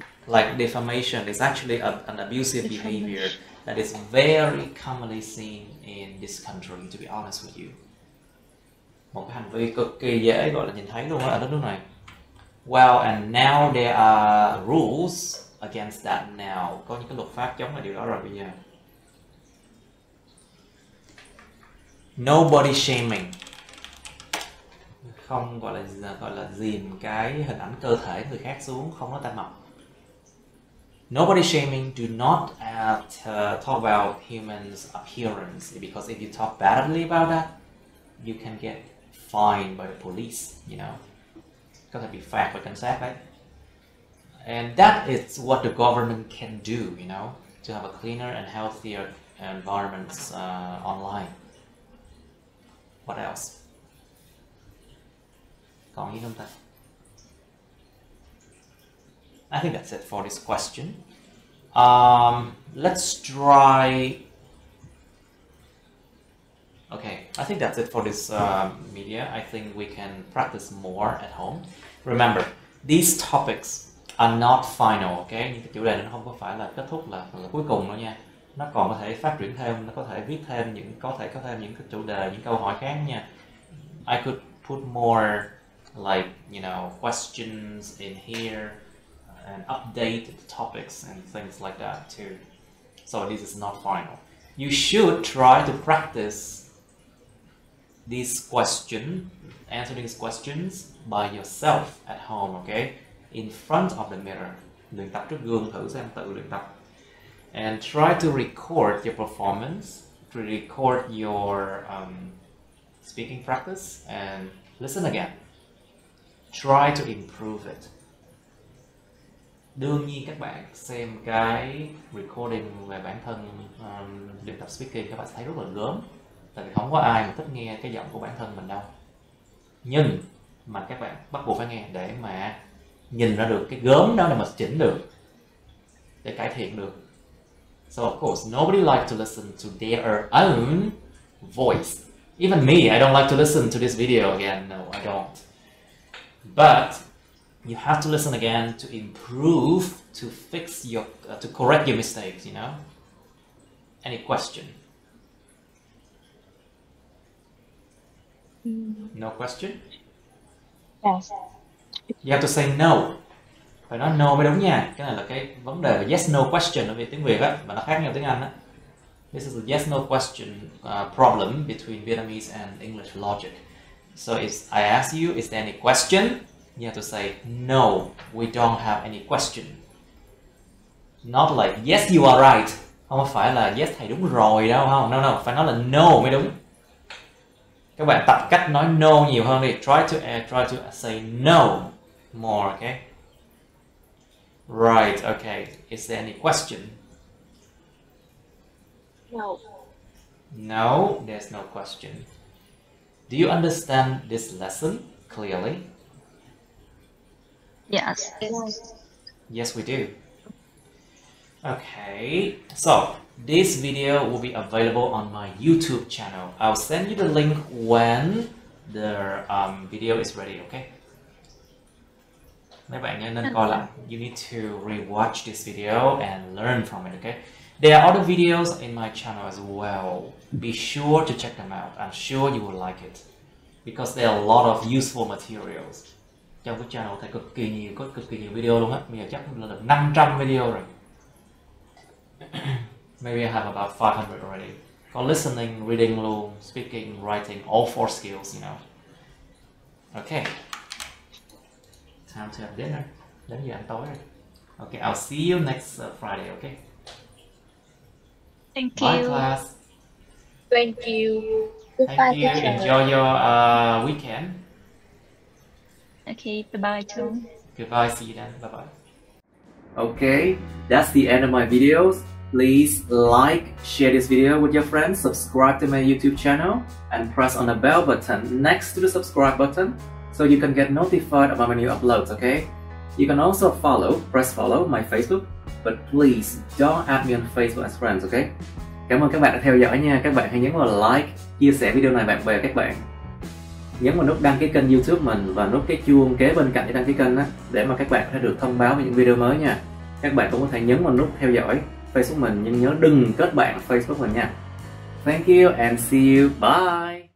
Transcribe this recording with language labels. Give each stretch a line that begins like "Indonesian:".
English: Like defamation is actually an abusive behavior that is very commonly seen in this country, to be honest with you.
Vietnamese: Một cái hành vi cực kỳ dễ gọi là nhìn thấy luôn á ở đất nước này.
English: Well, and now there are rules against that now.
Vietnamese: Có những cái luật pháp chống lại điều đó rồi bây giờ.
English: No body shaming.
Vietnamese: Không gọi là dìm cái hình ảnh cơ thể người khác xuống, không có tan mập.
English: Nobody shaming, do not talk about human's appearance. Because if you talk badly about that, you can get fined by the police, you know.
Vietnamese: Có thể bị phạt bởi cảnh sát đấy.
English: And that is what the government can do, you know, to have a cleaner and healthier environment online. What else?
Vietnamese: Còn gì không ta?
English: I think that's it for this question. Let's try. Okay, I think that's it for this media. I think we can practice more at home. Remember, these topics are not final, okay?
Vietnamese: Những cái chủ đề này nó không có phải là kết thúc là cuối cùng đâu nha. Nó còn có thể phát triển thêm, nó có thể viết thêm những có thể có thêm những cái chủ đề, những câu hỏi khác nha.
English: I could put more like, you know, questions in here and update the topics and things like that too. So this is not final. You should try to practice this question, answering these questions by yourself at home, okay? In front of the mirror.
Vietnamese: Luyện tập trước gương thử xem tự luyện tập.
English: And try to record your performance, to record your speaking practice and listen again. try to improve it.
Vietnamese: Đương nhiên các bạn xem cái recording về bản thân luyện tập speaking, các bạn thấy rất là gớm. Tại vì không có ai mà thích nghe cái giọng của bản thân mình đâu. Nhưng mà các bạn bắt buộc phải nghe để mà nhìn ra được cái gớm đó, để mà chỉnh được, để cải thiện được.
English: So of course, nobody likes to listen to their own voice. Even me, I don't like to listen to this video again. No, I don't. But you have to listen again to improve, to fix your, to correct your mistakes, you know? Any question? No question? Yes. You have to say no.
Vietnamese: Phải nói no mới đúng nha. Cái này là cái vấn đề là yes no question ở tiếng Việt á, mà nó khác nhau tiếng Anh á.
English: This is a yes no question problem between Vietnamese and English logic. So if I ask you, is there any question? You have to say no, we don't have any question. Not like yes you are right.
Vietnamese: Không phải là yes thầy đúng rồi đâu, không?
English: No no,
Vietnamese: phải nói là no mới đúng. Các bạn tập cách nói no nhiều hơn đi.
English: Try to say no more, okay? Right, okay. Is there any question? No. No, there's no question. Do you understand this lesson clearly? Yes. Yes, we do. Okay, so this video will be available on my YouTube channel. I'll send you the link when the video is ready, okay?
Vietnamese: Mấy bạn nên coi lại.
English: You need to rewatch this video and learn from it, okay? There are other videos in my channel as well. Be sure to check them out. I'm sure you will like it. Because there are a lot of useful materials.
Vietnamese: Trong cái channel thấy cực kỳ nhiều video luôn á. Bây giờ chắc là được 500 video rồi.
English: Maybe I have about 500 already. Có listening, reading luôn, speaking, writing, all four skills, you know. Okay. Time to have dinner.
Vietnamese: Đến giờ ăn tối rồi.
English: Okay, I'll see you next Friday, okay? Thank Bye you. Bye, class. Thank you. Thank Goodbye, you. Teacher. Enjoy your weekend. Okay, bye-bye too. Goodbye, see you then. Bye-bye. Okay, that's the end of my videos. Please like, share this video with your friends, subscribe to my YouTube channel, and press on the bell button next to the subscribe button so you can get notified about my new uploads, okay? You can also follow, press follow, my Facebook, but please don't add me on Facebook as friends, okay?
Vietnamese: Cảm ơn các bạn đã theo dõi nha. Các bạn hãy nhấn vào like, chia sẻ video này bạn bè các bạn. Nhấn vào nút đăng ký kênh YouTube mình và nút cái chuông kế bên cạnh để đăng ký kênh á, để mà các bạn sẽ được thông báo về những video mới nha. Các bạn cũng có thể nhấn vào nút theo dõi Facebook mình, nhưng nhớ đừng kết bạn Facebook mình nha.
English: Thank you and see you. Bye!